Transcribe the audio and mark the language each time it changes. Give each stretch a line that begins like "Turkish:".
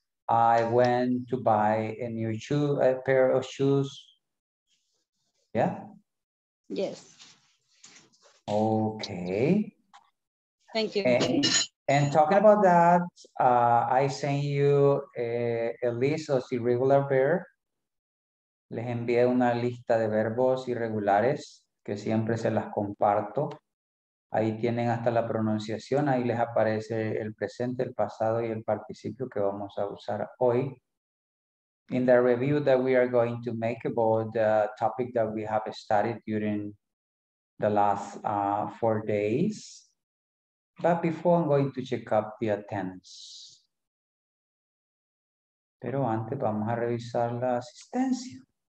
English: I went to buy a new shoe, a pair of shoes. Yeah? Yes. Okay. Thank you. And talking about that, I sent you a list of irregular verbs.
Spanish: Les envié una lista de verbos irregulares que siempre se las comparto. Ahí tienen hasta la pronunciación, ahí les aparece el presente, el pasado y el participio que vamos a usar hoy.
English: In the review that we are going to make about the topic that we have studied during the last 4 days. But before, I'm going to check up the attendance.
Spanish: Pero antes vamos a revisar la asistencia.